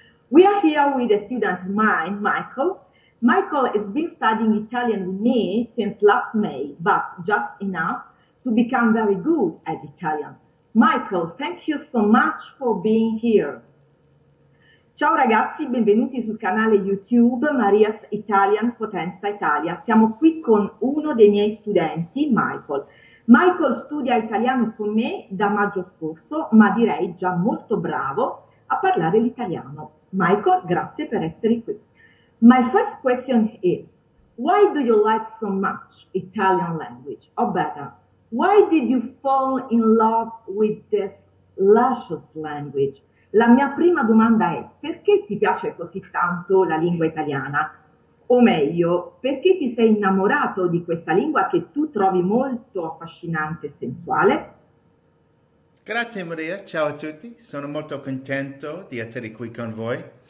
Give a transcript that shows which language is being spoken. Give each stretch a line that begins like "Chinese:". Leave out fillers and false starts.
English: We are here with a student of mine, Michael. Michael has been studying Italian with me since last May, but just enough to become very good at Italian. Michael, thank you so much for being here.
Italian: Ciao ragazzi, benvenuti sul canale YouTube Maria's Italian Potenza Italia. Siamo qui con uno dei miei studenti, Michael. Michael studia italiano con me da maggio scorso, ma direi già molto bravo a parlare l'italiano.
English: Michael,
Italian: grazie per essere qui.
English: My first question is, why do you like so much Italian language? Or better, why did you fall in love with this luscious language?
Italian: La mia prima domanda è, perché ti piace così tanto la lingua italiana? O meglio, perché ti sei innamorato di questa lingua che tu trovi molto affascinante e sensuale? Grazie Maria, ciao a tutti, sono molto contento di essere qui con voi.